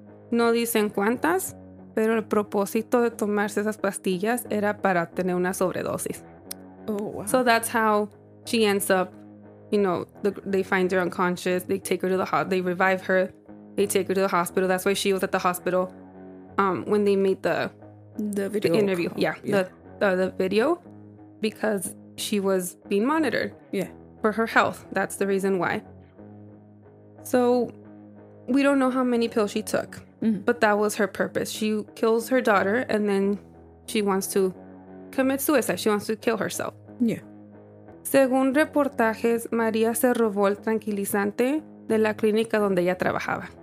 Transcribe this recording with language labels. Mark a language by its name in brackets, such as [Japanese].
[Spanish] No dicen cuántas, pero el propósito de tomarse esas pastillas era para tener una sobredosis. [English] Oh, wow. So that's how she ends up, you know, they find her unconscious. They take her to the hospital. They revive her. They take her to the hospital. That's why she was at the hospital when they made the video, the interview. Yeah, the video, because she was being monitored. Yeah, for her health. That's the reason why. So we don't know how many pills she took, but that was her purpose. She kills her daughter and then she wants to commit suicide. She wants to kill herself. Yeah. [Spanish] Según reportajes, María se robó el tranquilizante de la clínica donde ella trabajaba.